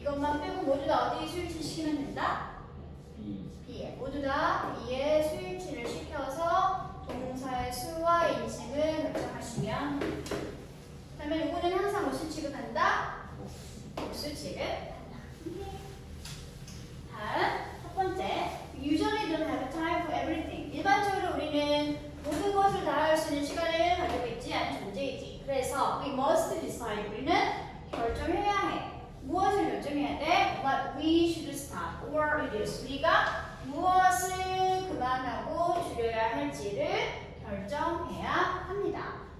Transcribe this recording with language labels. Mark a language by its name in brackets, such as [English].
[Korean] 이것만 빼고 모두 다 어디에 수일치시키면 된다? B. B에 모두 다 B에 수일치를 시켜서 동사의 수와 인칭을 결정하시면 그러면 이거는 항상 목수 취급한다? 목수 취급한다. 다음 첫 번째 [English] Usually don't have time for everything. [Korean] 일반적으로 우리는 모든 것을 다 할 수 있는 시간을 가지고 있지 않은 존재이지. 그래서 [English] we must decide. [Korean] 우리는 결정해야 해. 무엇을 결정해야 돼? [English] What we should stop or reduce. [Korean] 우리가 무엇을 그만하고 줄여야 할지를 결정해야 합니다.